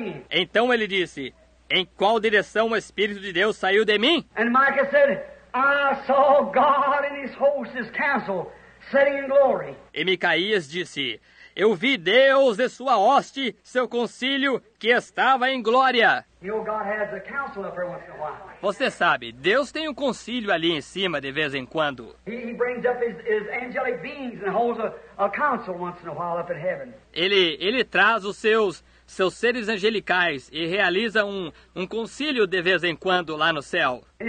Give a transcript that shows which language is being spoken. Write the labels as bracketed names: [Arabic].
[Portuguese] Então ele disse, em qual direção o Espírito de Deus saiu de mim? E Micah disse, [English] I saw God in his host's castle, sitting in glory. [Portuguese] E Micaías disse, eu vi Deus e sua hoste, seu concílio, que estava em glória. [English] You know, God has a council up every once in a while. [Portuguese] Você sabe, Deus tem um concílio ali em cima de vez em quando. [English] He brings up his angelic beings and holds a council once in a while up in heaven. [Portuguese] Ele traz os seus seres angelicais e realiza um concílio de vez em quando lá no céu.